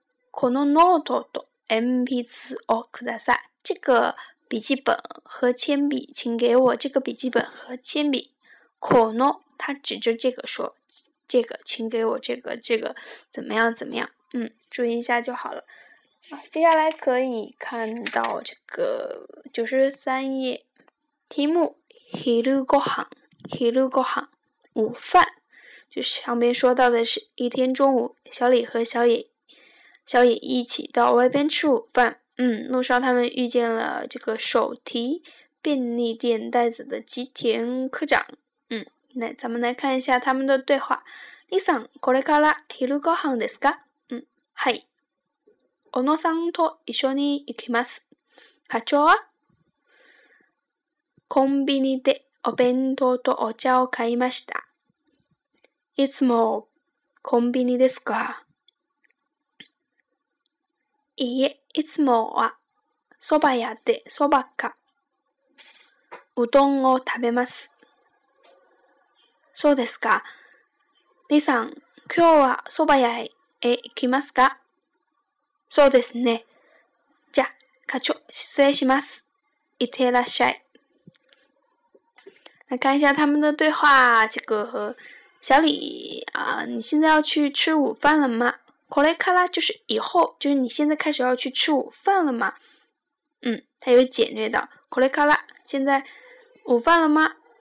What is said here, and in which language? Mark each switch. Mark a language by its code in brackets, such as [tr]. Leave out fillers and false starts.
[ja] このノートと鉛筆をください。 [zh] 这个笔记本和铅笔，请给我这个笔记本和铅笔。この，他指着这个说，这个，请给我这个，怎么样怎么样？注意一下就好了。接下来可以看到这个93页，题目昼ごはん，昼ごはん，午饭，就是上面说到的是一天中午，小李和小野一起到外边吃午饭。路上他们遇见了这个手提便利店袋子的吉田科长。来，咱们来看一下他们的对话。 [ja] 李さん、これから昼ご飯ですか？はい。小野さんと一緒に行きます。課長は？コンビニでお弁当とお茶を買いました。いつもコンビニですか？いいえ、いつもは、そば屋で、そばか、うどんを食べます。そうですか。李さん、今日はそば屋へ行きますか？そうですね。じゃあ、課長、失礼します。いってらっしゃい。 [zh] 来看一下他们的对话、这个和小李、你现在要去吃午饭了吗？コレカラ就是以后，就是你现在开始要去吃午饭了吗？他有简略的コレカラ，现在午饭了吗？